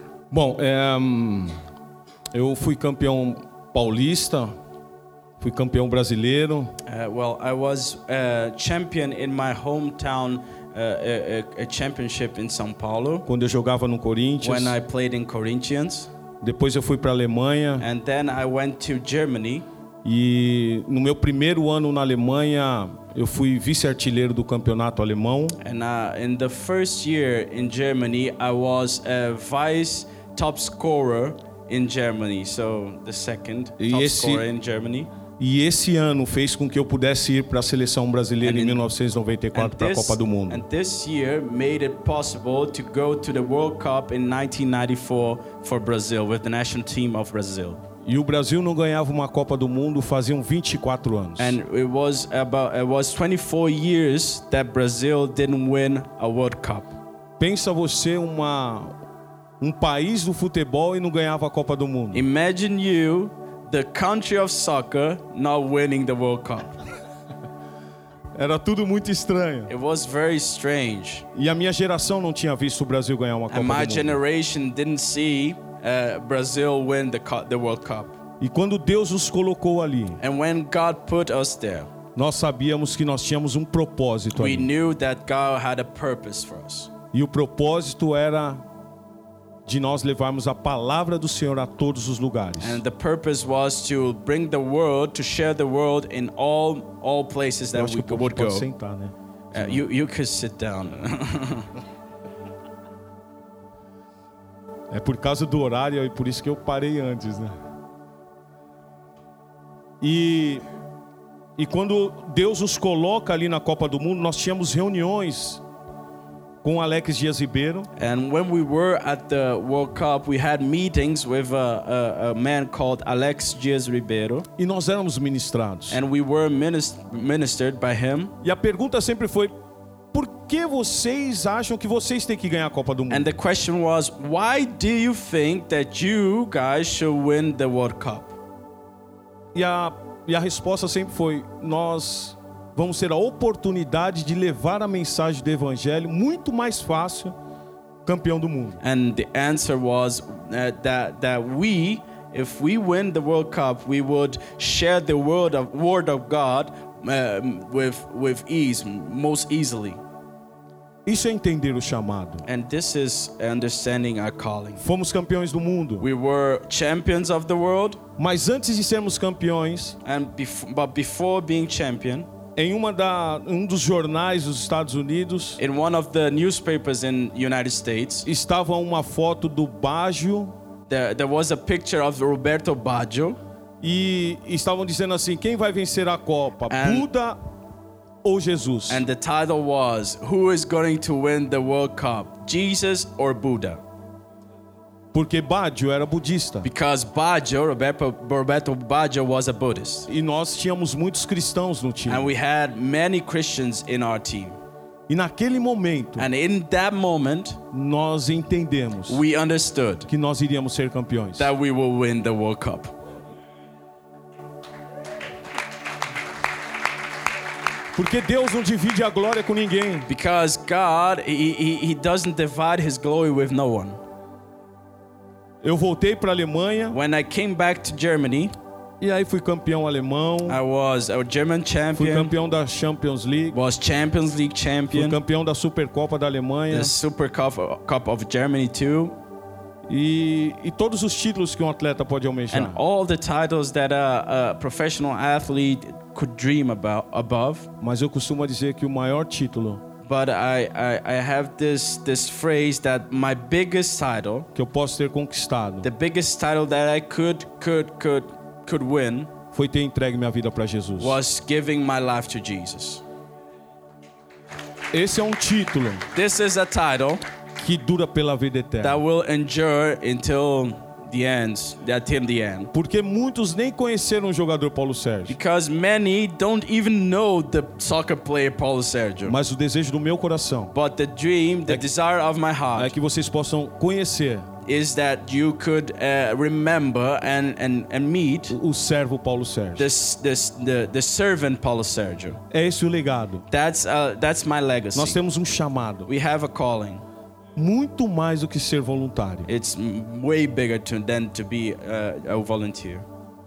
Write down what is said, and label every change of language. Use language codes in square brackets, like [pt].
[pt] Bom, eu fui campeão paulista, fui campeão brasileiro. [en] Well, I was a champion in my hometown, a championship in São Paulo. [pt] Quando eu jogava no Corinthians. [en] When I played in Corinthians. [pt] Depois eu fui para a Alemanha. [en] And then I went to Germany. [pt] E no meu primeiro ano na Alemanha, eu fui vice-artilheiro do campeonato alemão. [en] And in the first year in Germany, I was a vice top scorer in Germany. So the second top scorer in Germany. [pt] E esse ano fez com que eu pudesse ir para a seleção brasileira em 1994 para a Copa do Mundo. [en] And this year made it possible to go to the World Cup in 1994 for Brazil with the national team of Brazil. [pt] E o Brasil não ganhava uma Copa do Mundo faziam 24 anos. [en] And it was 24 years that Brazil didn't win a World Cup. [pt] Pensa você um país do futebol e não ganhava a Copa do Mundo. [en] Imagine you, the country of soccer, not winning the World Cup. [pt] Era tudo muito estranho. [en] It was very strange. [pt] E a minha geração não tinha visto o Brasil ganhar uma Copa do Mundo. [en] And my generation didn't see Brazil win the World Cup. [pt] E quando Deus nos colocou ali, [en] and when God put us there, [pt] nós sabíamos que nós tínhamos propósito ali. [en] We knew that God had a purpose for us. [pt] E o propósito era de nós levarmos a palavra do Senhor a todos os lugares. [en] And the purpose was to bring the word, to share the world in all places that we could go. [pt] Sentar, né? [en] You could sit down. [pt] É por causa do horário e por isso que eu parei antes, né? E quando Deus nos coloca ali na Copa do Mundo, nós tínhamos reuniões com Alex Dias Ribeiro. [en] And when we were at the World Cup, we had meetings with a man called Alex Dias Ribeiro. [pt] E nós éramos ministrados. [en] And we were ministered by him. [pt] E a pergunta sempre foi: por que vocês acham que vocês têm que ganhar a Copa do Mundo? [en] And the question was, why do you think that you guys should win the World Cup? [pt] E a resposta sempre foi: nós vamos ter a oportunidade de levar a mensagem do Evangelho muito mais fácil, campeão do mundo. [en] And the answer was that we, if we win the World Cup, we would share the word of God with ease, most easily. [pt] Isso é entender o chamado. [en] And this is understanding our calling. [pt] Fomos campeões do mundo. [en] We were champions of the world. [pt] Mas antes de sermos campeões, [en] but before being champion, [pt] em um dos jornais dos Estados Unidos, [en] in one of the newspapers in United States, [pt] estava uma foto do Baggio. [en] There was a picture of Roberto Baggio. [pt] E estavam dizendo assim: quem vai vencer a Copa, Buda ou Jesus? [en] And the title was: who is going to win the World Cup, Jesus or Buddha? [pt] Porque Baggio era budista. [en] Because Baggio, Roberto Baggio, was a Buddhist. [pt] E nós tínhamos muitos cristãos no time. [en] And we had many Christians in our team. [pt] E naquele momento, [en] and in that moment, [pt] nós entendemos, [en] we understood, [pt] que nós iríamos ser campeões, [en] that we will win the World Cup. [pt] Porque Deus não divide a glória com ninguém. [en] Because God, he doesn't divide his glory with no one. [pt] Eu voltei para a Alemanha. [en] When I came back to Germany. [pt] E aí fui campeão alemão. [en] I was a German champion. [pt] Fui campeão da Champions League. [en] Was Champions League champion. [pt] Fui campeão da Supercopa da Alemanha. [en] The Supercup of Germany too. [pt] E todos os títulos que atleta pode almejar. [en] And all the titles that a professional athlete could dream about above. [pt] Mas eu costumo dizer que o maior título, [en] but I have this phrase that my biggest title, [pt] que eu posso ter conquistado, [en] the biggest title that I could win, [pt] foi ter entregue minha vida para Jesus. [en] Was giving my life to Jesus. [pt] Esse é título. [en] This is a title [pt] que dura pela vida eterna. [en] That will endure until the end, until the end. [pt] Porque muitos nem conheceram o jogador Paulo Sérgio. [en] Because many don't even know the soccer player Paulo Sérgio. [pt] Mas o desejo do meu coração. [en] But the dream, the desire of my heart. [pt] É que vocês possam conhecer. [en] Is that you could remember and meet [pt] o servo Paulo Sérgio. [en] The servant Paulo Sérgio. [pt] É esse o legado. [en] That's my legacy. [pt] Nós temos chamado. [en] We have a calling. [pt] Muito mais do que ser voluntário. [en] It's way bigger than to be a volunteer.